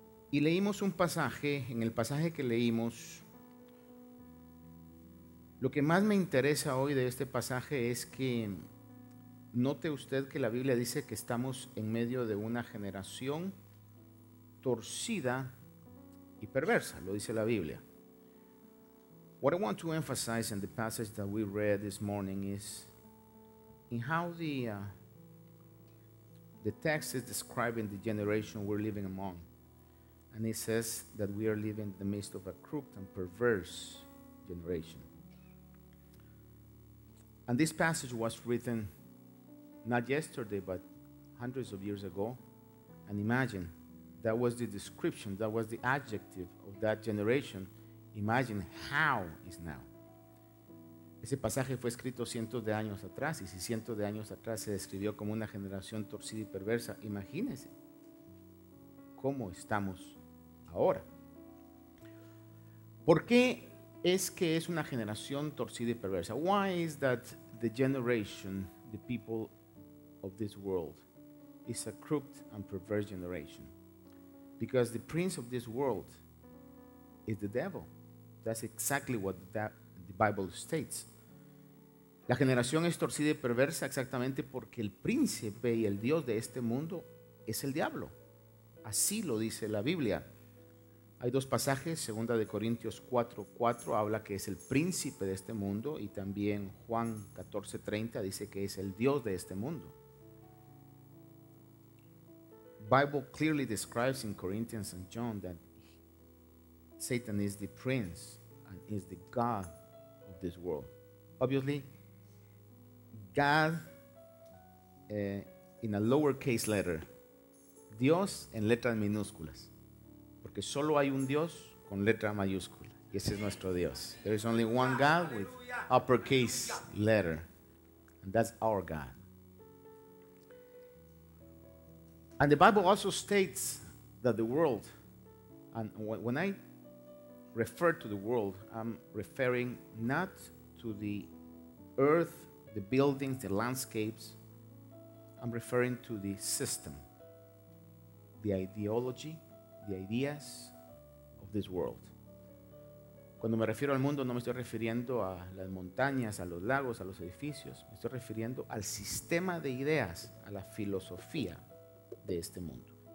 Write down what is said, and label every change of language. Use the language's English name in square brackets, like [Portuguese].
[Spanish] Y leímos un pasaje, en el pasaje que leímos, lo que más me interesa hoy de este pasaje es que note usted que la Biblia dice que estamos en medio de una generación torcida y perversa, lo dice la Biblia. [English] What I want to emphasize in the passage that we read this morning is in how the text is describing the generation we're living among. And it says that we are living in the midst of a crooked and perverse generation. And this passage was written not yesterday, but hundreds of years ago. And imagine, that was the description, that was the adjective of that generation. Imagine how is now. [Spanish] Ese pasaje fue escrito cientos de años atrás, y si cientos de años atrás se describió como una generación torcida y perversa, imagínese cómo estamos ahora. ¿Por qué es que es una generación torcida y perversa? [English] Why is that the generation, the people of this world, is a crooked and perverse generation? Because the prince of this world is the devil. That's exactly what the Bible states. [Spanish] La generación es torcida y perversa exactamente porque el príncipe y el Dios de este mundo es el diablo. Así lo dice la Biblia. Hay dos pasajes, 2 de Corintios 4, 4 habla que es el príncipe de este mundo, y también Juan 14, 30 dice que es el Dios de este mundo. [English] Bible clearly describes in Corinthians and John that Satan is the prince and is the God of this world. Obviously, God in a lowercase letter, [Spanish] Dios en letras minúsculas, porque solo hay un Dios con letra mayúscula, y ese es nuestro Dios. [English] There is only one God with uppercase letter, and that's our God. And the Bible also states that the world, and when I refer to the world, I'm referring not to the earth, the buildings, the landscapes. I'm referring to the system, the ideology, the ideas of this world. [Spanish] Cuando me refiero al mundo, no me estoy refiriendo a las montañas, a los lagos, a los edificios. Me estoy refiriendo al sistema de ideas, a la filosofía de este mundo.